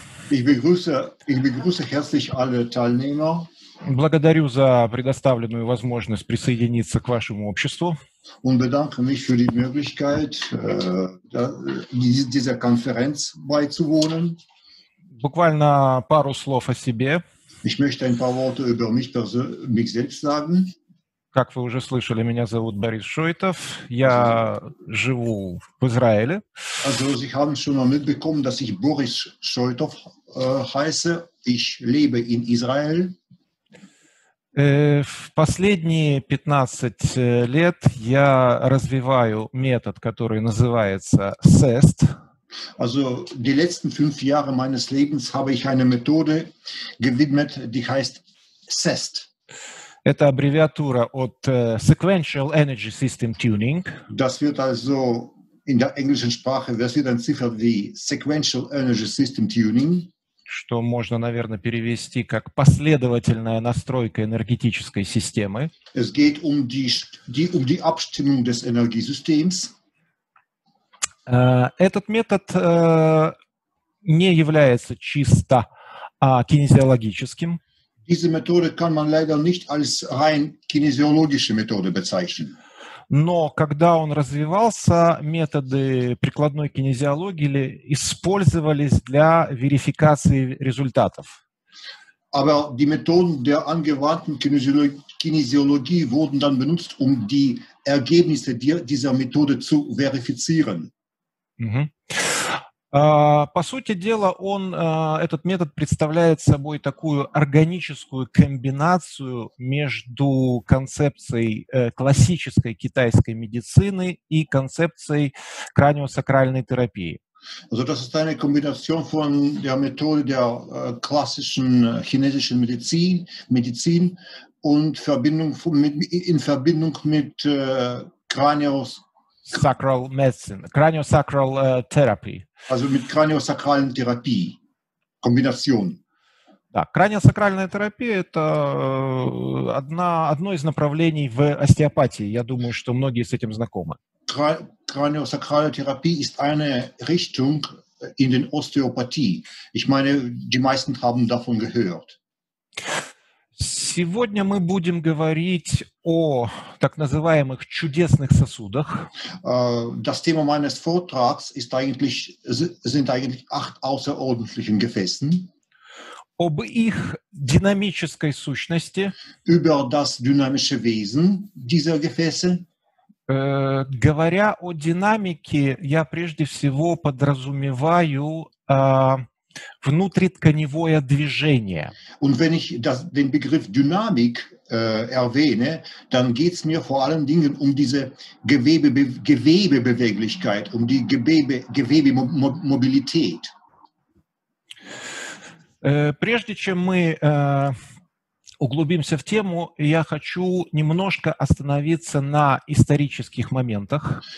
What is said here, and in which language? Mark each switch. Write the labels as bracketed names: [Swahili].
[German] Ich begrüße herzlich alle Teilnehmer. [Russian] Благодарю за предоставленную возможность присоединиться к вашему обществу. [German] Und bedanke mich für die Möglichkeit, dieser Konferenz beizuwohnen. [Russian] Буквально пару слов о себе. [German] Ich möchte ein paar Worte über mich selbst sagen. [Russian] Как вы уже слышали, меня зовут Борис Шойтов. Я живу в Израиле. [German] Also, Sie haben schon mal mitbekommen, dass ich Борис Шойтов heiße. Ich lebe in Israel. [Russian] В последние 15 лет я развиваю метод, который называется SEST. [German] Also, die letzten 5 Jahre meines Lebens habe ich eine Methode gewidmet, die heißt SEST. [Russian] Это аббревиатура от Sequential Energy System Tuning. [German] Das wird also in der englischen Sprache, das wird dann ziffert wie Sequential Energy System Tuning. [Russian] Что можно, наверное, перевести как последовательная настройка энергетической системы. [German] Es geht um die Abstimmung des Energiesystems. [Russian] Этот метод не является чисто кинезиологическим. [German] Diese Methode kann man leider nicht als rein kinesiologische Methode bezeichnen. [Russian] Но когда он развивался, методы прикладной кинезиологии использовались для верификации результатов. [German] Aber die Methoden der angewandten Kinesiologie wurden dann benutzt, um die Ergebnisse dieser Methode zu verifizieren. Mm-hmm. [Russian] По сути дела, он, этот метод представляет собой такую органическую комбинацию между концепцией классической китайской медицины и концепцией краниосакральной терапии. [German] Also, das ist eine Kombination von der Methode der klassischen chinesischen Medizin und in Verbindung mit kranios [English] Sacral medicine, craniosacral therapy. [German] Also mit craniosakralen Therapie, Kombination. [Russian] Да, краниосакральная терапия – это одно из направлений в остеопатии. Я думаю, что многие с этим знакомы. Краниосакральная терапия [German] – ist eine Richtung in den Osteopathie. Ich meine, die meisten haben davon gehört. [Russian] Сегодня мы будем говорить о так называемых чудесных сосудах. [German] Das Thema meines Vortrags ist eigentlich, sind eigentlich 8 außerordentlichen Gefäßen. [Russian] Об их динамической сущности. [German] Über das dynamische Wesen dieser Gefäße. [Russian] Говоря о динамике, я прежде всего подразумеваю... внутритканевое движение. [German] Und wenn ich den Begriff Dynamik erwähne, dann geht's mir vor allen Dingen um diese Gewebebeweglichkeit, um die Gewebemobilität. [Russian] Прежде чем мы углубимся в тему, я хочу немножко остановиться на исторических моментах.